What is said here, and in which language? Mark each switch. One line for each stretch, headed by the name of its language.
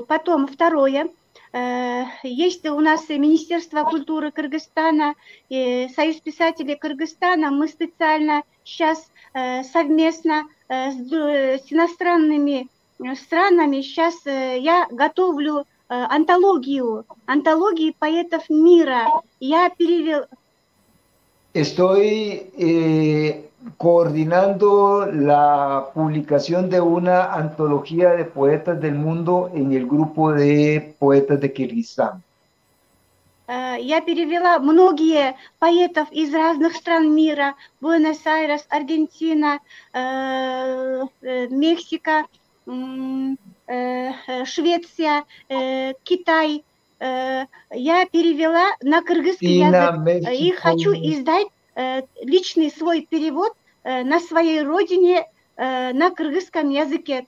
Russian: Потом второе. Есть у нас Министерство культуры Кыргызстана, Союз писателей Кыргызстана. Мы специально сейчас совместно с иностранными странами сейчас я готовлю антологию, антологии поэтов мира. Я перевел...
Spanish: Estoy coordinando la publicación de una antología de poetas del mundo en el grupo de poetas de Kirguistán.
Russian: Я перевела многие поэтов из разных стран мира: Буэнос-Айрес, Аргентина, Мексика, Швеция, Китай. Я перевела на кыргызский язык и хочу издать личный свой перевод на своей родине на кыргызском языке.